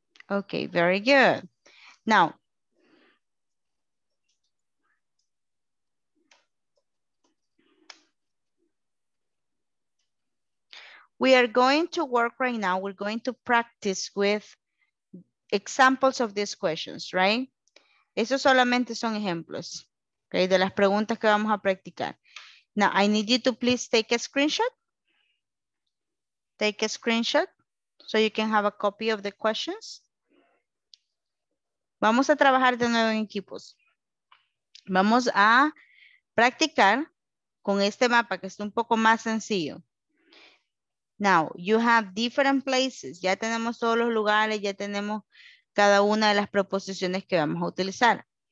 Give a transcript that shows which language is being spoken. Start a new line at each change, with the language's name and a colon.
English: Okay, very good. Now, we are going to work right now. We're going to practice with examples of these questions, right?
Spanish: Eso solamente son ejemplos, okay, de las preguntas que vamos a practicar.
English: Now, I need you to please take a screenshot. Take a screenshot so you can have a copy of the questions.
Spanish: Vamos a trabajar de nuevo en equipos. Vamos a practicar con este mapa que es un poco más sencillo.
English: Now, you have different places.
Spanish: Ya tenemos todos los lugares, ya tenemos cada una de las preposiciones que vamos a utilizar.